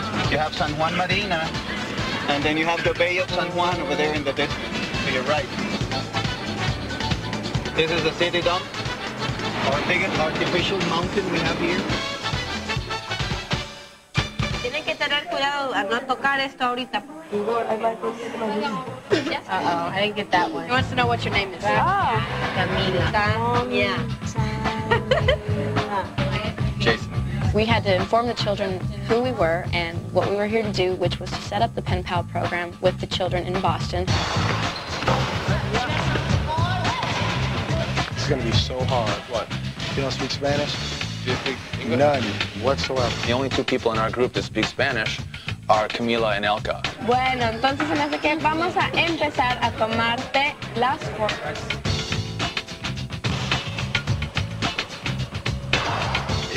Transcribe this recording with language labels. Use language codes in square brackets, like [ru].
[en] You have San Juan Marina, and then you have the Bay of San Juan over there in the distance, to your right. This is the city dump, our biggest artificial mountain we have here. [es] Tienen que tener cuidado a no tocar esto ahorita. [en] Uh-oh, I didn't get that one. He wants to know what your name is. Oh. Camila. Jason. We had to inform the children who we were and what we were here to do, which was to set up the Pen Pal program with the children in Boston. This is going to be so hard. What? You don't speak Spanish? Do you speak English? None whatsoever. The only two people in our group that speak Spanish are Camila and Elka. [es] Bueno, entonces en ese que vamos a empezar a tomarte las formas.